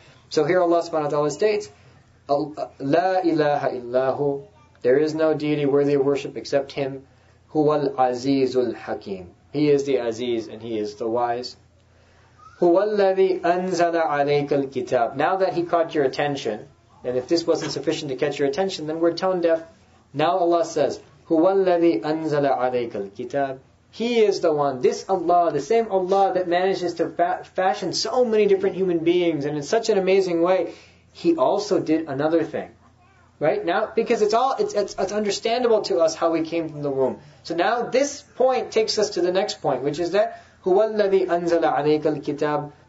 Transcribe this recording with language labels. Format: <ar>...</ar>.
<en>So here Allah subhanahu wa ta'ala states, La ilaha illahu, there is no deity worthy of worship except Him.</en> <ar>Huwa al-azizul hakim.</ar> <en>He is the aziz and He is the wise.</en> <ar>Huwa alladhi anzala alayka al-kitab.</ar> <en>Now that He caught your attention, and if this wasn't sufficient to catch your attention, then we're tone deaf. Now Allah says,</en> <ar>هُوَ الَّذِي أَنزَلَ عَلَيْكَ الْكِتَابِ.</ar> <en>He is the one, this Allah, the same Allah that manages to fashion so many different human beings and in such an amazing way, He also did another thing. Right? Now, because it's understandable to us how we came from the womb. So now this point takes us to the next point, which is that</en> <ar>هُوَ الَّذِي أَنزَلَ عَلَيْكَ الْكِتَابِ.</ar>